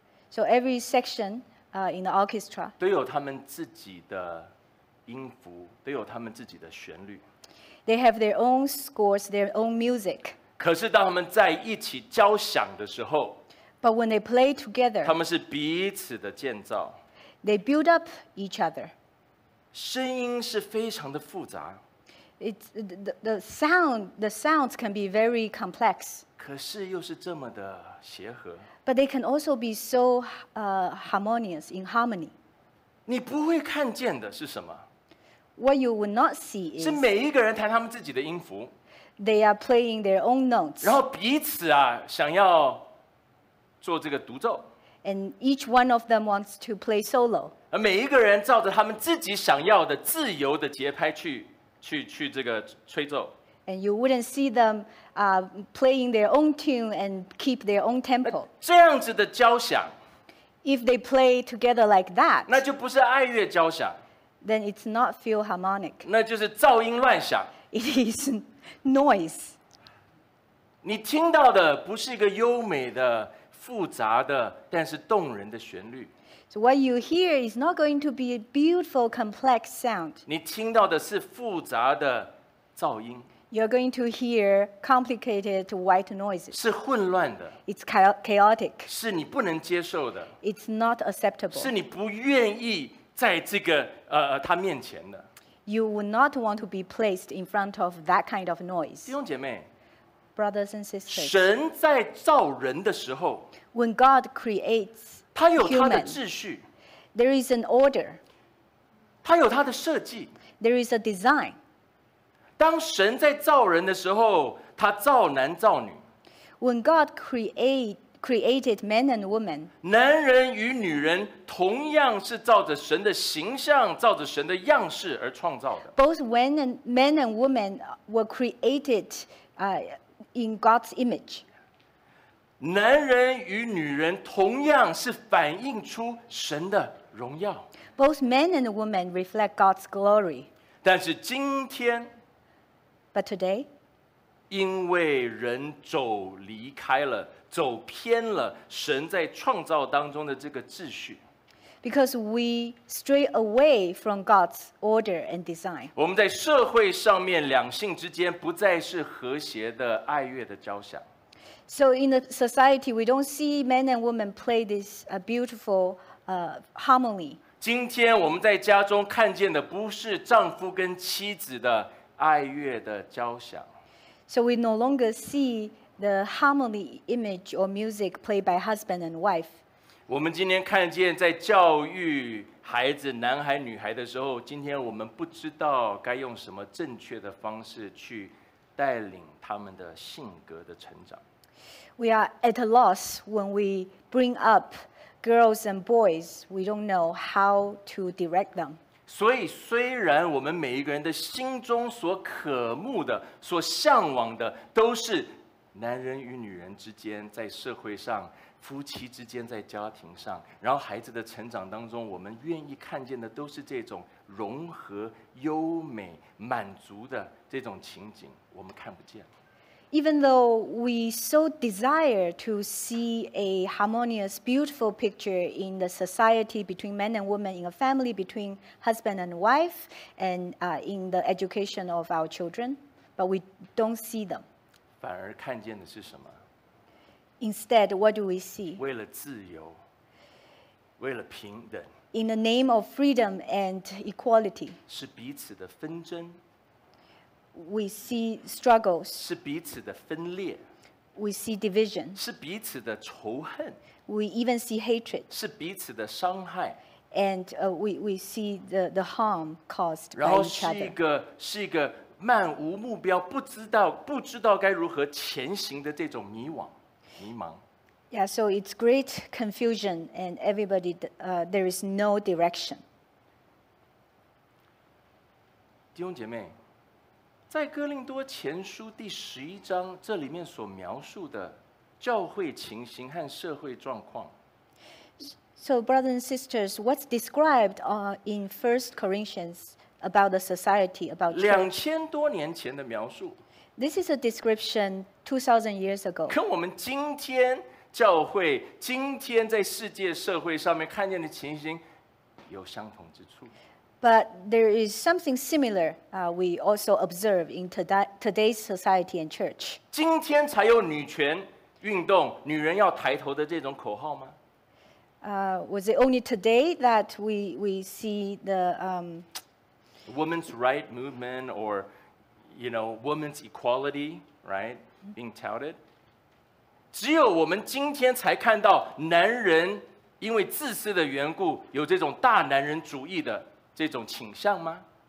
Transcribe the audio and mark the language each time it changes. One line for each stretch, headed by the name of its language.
English: So every section in the orchestra
Chinese: 都有他们自己的音符，都有他们自己的旋律。
English: They have their own scores, their own music.
Chinese: 可是当他们在一起交响的时候
English: ，But when they play together,
Chinese: 他们是彼此的建造。
English: They build up each other.
Chinese: 声音是非常的复杂。
English: The sounds can be very complex.
Chinese: 可是又是这么的协和。
English: But they can also be so harmonious in harmony.
Chinese: 你不会看见的是什么
English: ？What you would not see is
Chinese: 是每一个人弹他们自己的音符。
English: They are playing their own notes.
Chinese: 然后彼此啊，想要做这个独奏。
English: And each one of them wants to play solo.
Chinese: 而每一个人照着他们自己想要的自由的节拍去这个吹奏。
English: And you wouldn't see them playing their own tune and keep their own tempo.
Chinese: 这样子的交响
English: If they play together like that,
Chinese: 那就不是爱乐交响
English: Then it's not philharmonic.
Chinese: 那就是噪音乱响
English: It is noise.
Chinese: 你听到的不是一个优美的、复杂的，但是动人的旋律
English: So what you hear is not going to be a beautiful, complex sound.
Chinese: 你听到的是复杂的噪音
English: You're going to hear complicated white noises.
Chinese: 是混乱的。
English: It's chaotic.
Chinese: 是你不能接受的。
English: It's not acceptable.
Chinese: 是你不愿意在这个他面前的。
English: You would not want to be placed in front of that kind of noise.
Chinese: 弟兄姐妹
English: brothers and sisters.
Chinese: 神在造人的时候
English: when God creates human,
Chinese: 他有他的秩序。
English: There is an order.
Chinese: 他有他的设计。
English: There is a design.
Chinese: 当神在造人的时候，他造男造女。
English: When God create, created men and women.
Chinese: 男人与女人同样是照着神的形象，照着神的样式而创造的。
English: Both men and women were created, in God's image.
Chinese: 男人与女人同样是反映出神的荣耀。
English: Both men and women reflect God's glory.
Chinese: 但是今天
English: ，But today.
Chinese: 因为人走离开了。走偏了神在创造当中的这个秩序。
English: Because we stray away from God's order and design.
Chinese: 我们在社会上面两性之间不再是和谐的爱乐的交响。
English: So in the society, we don't see men and women play this beautiful harmony.
Chinese: 今天我们在家中看见的不是丈夫跟妻子的爱乐的交响。
English: So we no longer see the harmony image or music played by husband and wife.
Chinese: 我们今天看见在教育孩子男孩女孩的时候，今天我们不知道该用什么正确的方式去带领他们的性格的成长。
English: We are at a loss when we bring up girls and boys. We don't know how to direct them.
Chinese: 所以虽然我们每一个人的心中所渴慕的，所向往的都是男人与女人之间，在社会上，夫妻之间，在家庭上，然后孩子的成长当中，我们愿意看见的都是这种融合、优美、满足的这种情景，我们看不见。
English: Even though we so desire to see a harmonious, beautiful picture in the society between men and women, in a family, between husband and wife, and in the education of our children, but we don't see them.
Chinese: 反而看见的是什么？
English: Instead, what do we see?
Chinese: 为了自由，为了平等。
English: In the name of freedom and equality.
Chinese: 是彼此的纷争。
English: We see struggles.
Chinese: 是彼此的分裂。
English: We see division.
Chinese: 是彼此的仇恨。
English: We even see hatred.
Chinese: 是彼此的伤害。
English: And we see the harm caused by each other.
Chinese: 然后是一个漫无目标，不知道该如何前行的这种迷茫。
English: Yeah, so it's great confusion, and everybody, there is no direction.
Chinese: 弟兄姐妹，在哥林多前书第十一章，这里面所描述的教会情形和社会状况。
English: So, brothers and sisters, what's described in 1 Corinthians? About the society, about church.
Chinese: 两千多年前的描述。
English: This is a description 2,000 years ago.
Chinese: 跟我们今天教会、今天在世界社会上面看见的情形有相同之处。
English: But there is something similar we also observe in today's society and church.
Chinese: 今天才有女权运动、女人要抬头的这种口号吗？
English: Was it only today that we see the Women's right movement, or you know, women's equality, right, being touted.
Chinese: 只有我们今天才看到男人因为自私的缘故有这种大男人主义的这种倾向吗？